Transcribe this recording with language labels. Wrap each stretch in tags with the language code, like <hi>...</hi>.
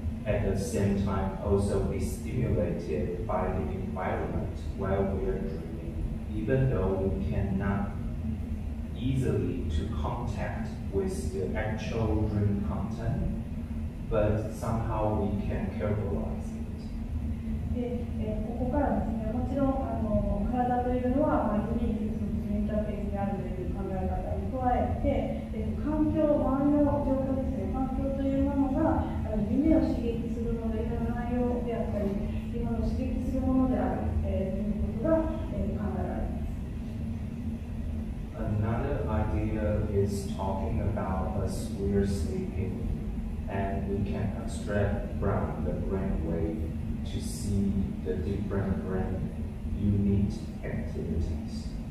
<en>at the same time also be stimulated by the environment while we are dreaming, even though we cannot easily to contact with the actual dream content, but somehow we can characterize it.</en> <ja>でここからですね、もちろんあの体というのは、まあ、自分にそのインターフェースにあるという考え方に加えて、環境、周りの状況ですね、環境というものが夢を刺激するもの、いろんな内容であったり、夢を刺激するものである、ということが、考えられます。</ja> <en>Another idea is talking about as we are sleeping and we can abstract from the brain wave. To see the different brain unit activities.</en>